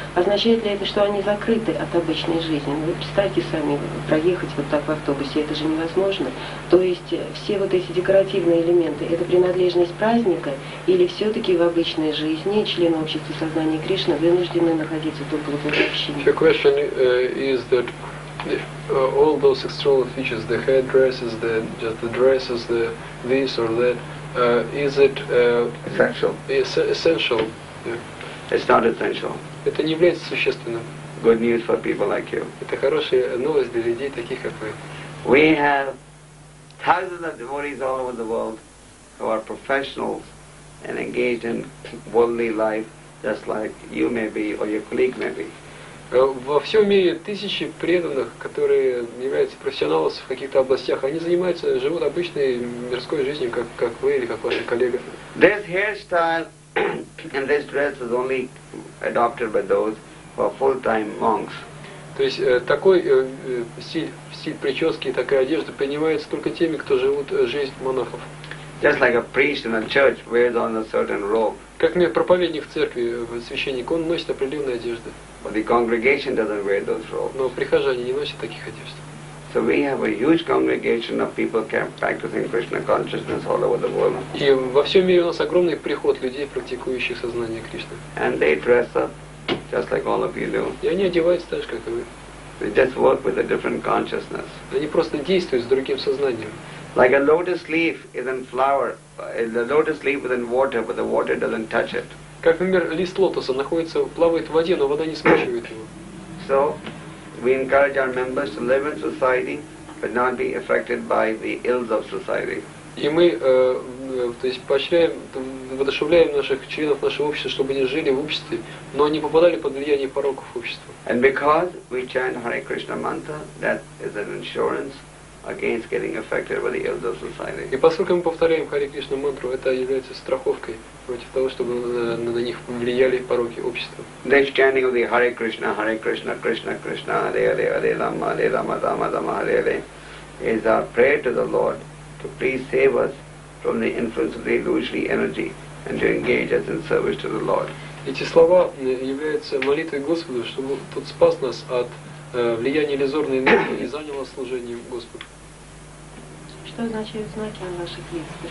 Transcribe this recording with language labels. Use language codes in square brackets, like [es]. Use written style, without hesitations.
[ru] Означает ли это, что они закрыты от обычной жизни? Вы представьте сами, проехать вот так в автобусе, это же невозможно. То есть все вот эти декоративные элементы, это принадлежность праздника, или все-таки в обычной жизни члены общества сознания Кришны вынуждены находиться только вот в общении? [en] Your question is that all those external features, the headdresses, the just the dresses, the this or that, is it essential? Essential. Yeah. It's not essential. [ru] Это не является существенным. [en] Good news for people like you. [ru] Это хорошая новость для людей таких как вы. [en] We have thousands of devotees all over the world who are professionals and engaged in worldly life, just like you may be or your colleague may be. [ru] Во всем мире тысячи преданных, которые являются профессионалами в каких-то областях, они занимаются, живут обычной мирской жизнью, как вы или как ваши коллеги. [en] This hairstyle and this dress is only adopted by those who are full-time monks. [ru] То есть такой стиль прически и такая одежда принимается только теми, кто живут жизнь монахов. [en] Just like a priest in a church wears on a certain robe. [ru] Как мне проповедник в церкви, священник, он носит определенные одежды. [en] But the congregation doesn't wear those robes. [ru] Но прихожане не носят таких одежд. [en] So we have a huge congregation of people practicing Krishna consciousness all over the world. [ru] И во всем мире у нас огромный приход людей, практикующих сознание Кришны. [en] And they dress up just like all of you do. [ru] И они одеваются так же, как и вы. [en] They just work with a different consciousness. [ru] Они просто действуют с другим сознанием. [en] Like a lotus leaf is in flower, the lotus leaf is in water, but the water doesn't touch it. [ru] Как, например, лист лотоса находится, плавает в воде, но вода не смачивает его. [en] So we encourage our members to live in society, but not be affected by the ills of society. [ru] И мы, то есть, поощряем, воодушевляем наших членов нашего общества, чтобы они жили в обществе, но не попадали под влияние пороков общества. [en] And because we chant Hare Krishna mantra, that is an insurance against getting affected by the ills of society. [ru] И поскольку мы повторяем Hare Krishna mantra, это является страховкой против того, чтобы на них влияли пороки общества. [en] The chanting of the Hare Krishna, Krishna Krishna, Hare Hare, Hare Rama, Hare Rama, Rama Rama, Hare Hare, is our prayer to the Lord to please save us from the influence of the illusory energy and to engage us in service to the Lord. [ru] Эти слова являются молитвой Господу, чтобы тот спас нас от влияния иллюзорной энергии и занял нас служением Господу. Что означают знаки на ваших лицах?